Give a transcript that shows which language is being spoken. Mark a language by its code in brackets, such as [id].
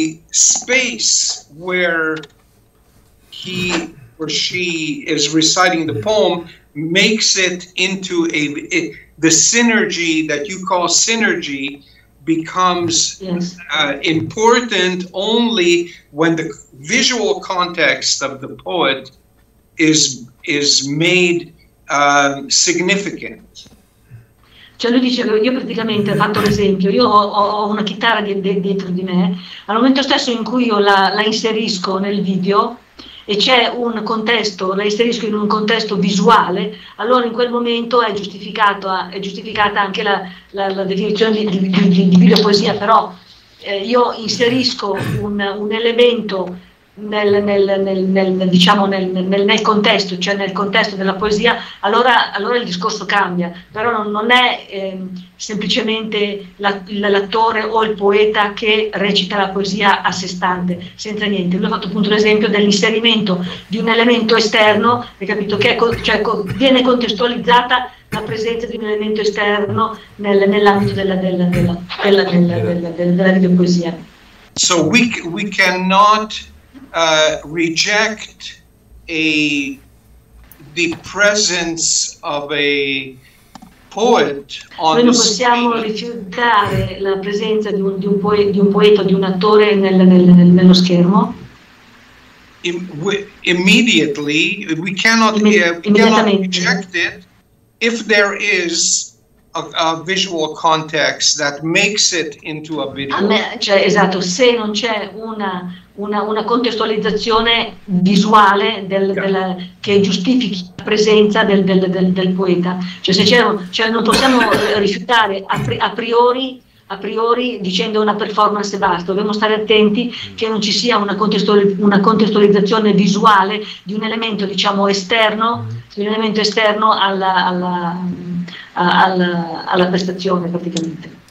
[en] space where he or she is reciting the poem makes it into the synergy that you call synergy becomes important only when the visual context of the poet is made significant. [it] Cioè lui dice, io praticamente ho fatto l'esempio, io ho una chitarra dietro di me, al momento stesso in cui io la inserisco nel video, e c'è un contesto, la inserisco in un contesto visuale, allora in quel momento è giustificata anche la definizione di videopoesia, però io inserisco un elemento nel contesto, cioè nel contesto della poesia, allora il discorso cambia, però non è semplicemente l'attore o il poeta che recita la poesia a sé stante, senza niente. Lui ha fatto appunto l'esempio dell'inserimento di un elemento esterno, hai capito, che viene contestualizzata la presenza di un elemento esterno nell'ambito della videopoesia. [en] So we cannot reject the presence of a poet on the stage. [it] Noi non possiamo rifiutare la presenza di un poeta, di un attore nello schermo. [en] Immediately, we cannot reject it if there is a visual context that makes it into a video. [it] Esatto, se non c'è una contestualizzazione visuale che giustifichi la presenza del poeta. Cioè, non possiamo rifiutare a priori dicendo una performance basta, dobbiamo stare attenti che non ci sia una contestualizzazione visuale di un elemento, diciamo, esterno, di un elemento esterno alla prestazione, praticamente.